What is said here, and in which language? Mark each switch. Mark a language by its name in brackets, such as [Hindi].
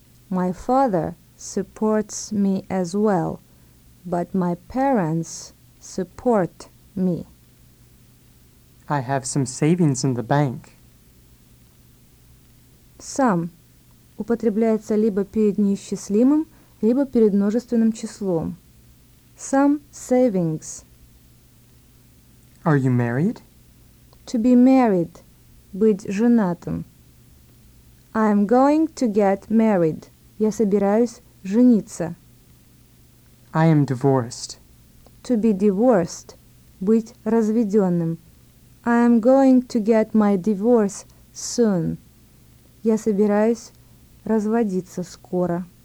[English] My father supports me as well. But my parents support me. I have some savings in the bank. Some. [Russian] Употребляется либо перед неисчислимым, либо перед множественным числом. [English] Some savings. Are you married? To be married. [Russian] Быть женатым. [English] I'm going to get married. [Russian] Я собираюсь жениться. [English] I am divorced. To be divorced. [Russian] Быть разведенным. [English] I am going to get my divorce soon. [Russian] Я собираюсь разводиться скоро.